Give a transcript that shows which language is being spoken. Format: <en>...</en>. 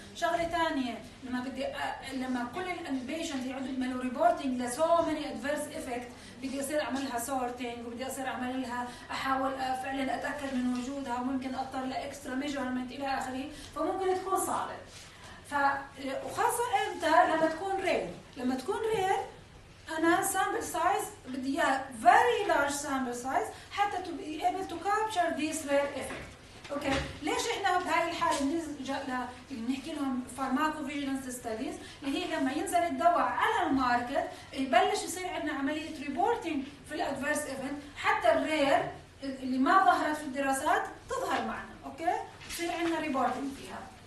<ar>شغلة تانية، لما بدي لما كل البيشنت يعود يعملوا ريبورتينج</ar> <en>لسو many adverse effect,</en> <ar>بدي أصير أعملها سورتينج، وبدي أصير أعمل لها أحاول فعلاً أتأكد من وجودها، وممكن أضطر لإكسترا ميجرمنت إلى آخره، فممكن تكون صعبة. وخاصة إمتى؟ لما تكون رير. لما تكون رير أنا سامبل سايز بدي إياها</ar> <en>very large sample size حتى to be able to capture this rare effect.</en> <ar>أوكي، ليش إحنا بهاي الحالة بنلجأ لنحكي لهم pharmacovigilance studies؟ اللي هي لما ينزل الدواء على الماركت يبلش يصير عندنا عملية reporting في الأدفيرس إيفنت، حتى الرير اللي ما ظهرت في الدراسات تظهر معنا، أوكي؟ يصير عندنا reporting فيها.</ar>